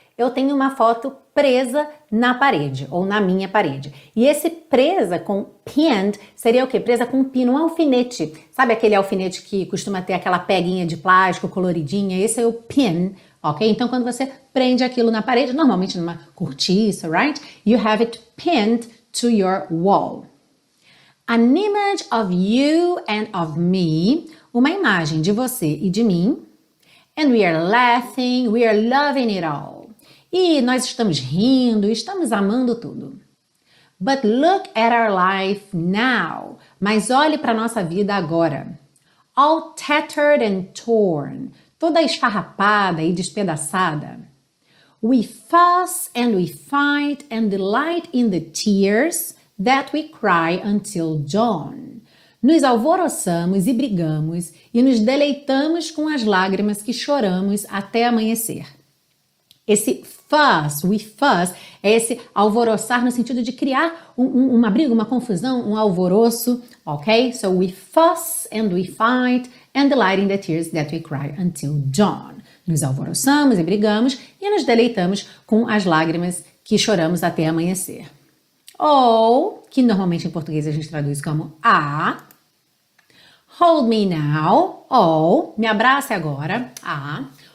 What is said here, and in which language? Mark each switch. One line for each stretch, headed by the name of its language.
Portuguese: Eu tenho uma foto presa na parede ou na minha parede. E esse presa com pinned seria o quê? Presa com pino, um alfinete. Sabe aquele alfinete que costuma ter aquela peguinha de plástico coloridinha? Esse é o pin, ok? Então, quando você prende aquilo na parede, normalmente numa cortiça, right?
English: You have it pinned to your wall. An image of you and of me.
Portuguese: Uma imagem de você e de mim.
English: And we are laughing, we are loving it all.
Portuguese: E nós estamos rindo, estamos amando tudo.
English: But look at our life now.
Portuguese: Mas olhe para a nossa vida agora.
English: All tattered and torn.
Portuguese: Toda esfarrapada e despedaçada.
English: We fuss and we fight and delight in the tears that we cry until dawn.
Portuguese: Nos alvoroçamos e brigamos e nos deleitamos com as lágrimas que choramos até amanhecer. Esse fuss,
English: we fuss,
Portuguese: é esse alvoroçar no sentido de criar uma briga, uma confusão, um alvoroço, ok?
English: So we fuss and we fight and delight in the tears that we cry until dawn.
Portuguese: Nos alvoroçamos e brigamos e nos deleitamos com as lágrimas que choramos até amanhecer. Ou, que normalmente em português a gente traduz como a.
English: Hold me now,
Portuguese: ou, me abrace agora, a.